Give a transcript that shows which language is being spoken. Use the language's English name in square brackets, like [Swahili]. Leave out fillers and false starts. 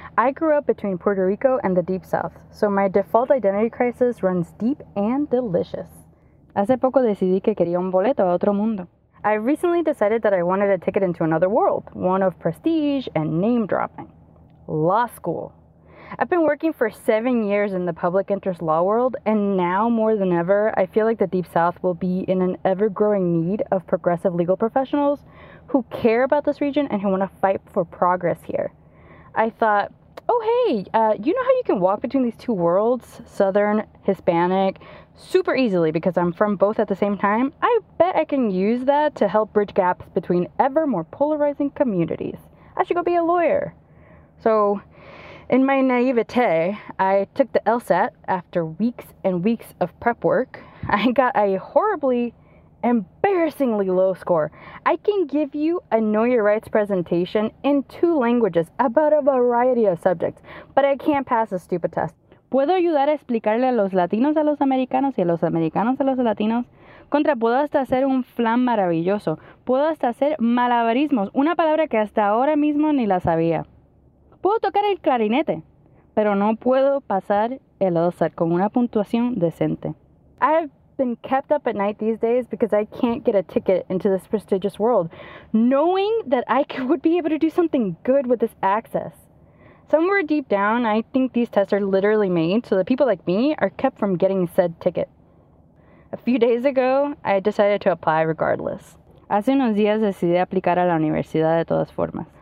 [English] I grew up between Puerto Rico and the Deep South, so my default identity crisis runs deep and delicious. [Spanish] Hace poco decidí que quería un boleto a otro mundo. [English] I recently decided that I wanted a ticket into another world, one of prestige and name dropping. Law school. I've been working for 7 years in the public interest law world, and now more than ever, I feel like the Deep South will be in an ever-growing need of progressive legal professionals who care about this region and who want to fight for progress here. I thought, oh hey, you know how you can walk between these two worlds, Southern, Hispanic, super easily because I'm from both at the same time? I bet I can use that to help bridge gaps between ever more polarizing communities. I should go be a lawyer. So, in my naivete, I took the LSAT after weeks and weeks of prep work. I got a horribly, embarrassingly low score. I can give you a Know Your Rights presentation in two languages about a variety of subjects, but I can't pass a stupid test. [Spanish] Puedo ayudar a explicarle a los latinos a los americanos y a los americanos a los latinos. Contra, puedo hasta hacer un flan maravilloso. Puedo hasta hacer malabarismos, una palabra que hasta ahora mismo ni la sabía. Puedo tocar el clarinete, pero no puedo pasar el LSAT con una puntuación decente. [English] I have been kept up at night these days because I can't get a ticket into this prestigious world, knowing that I would be able to do something good with this access. Somewhere deep down, I think these tests are literally made so that people like me are kept from getting said ticket. A few days ago, I decided to apply regardless. [Spanish] Hace unos días decidí aplicar a la universidad de todas formas.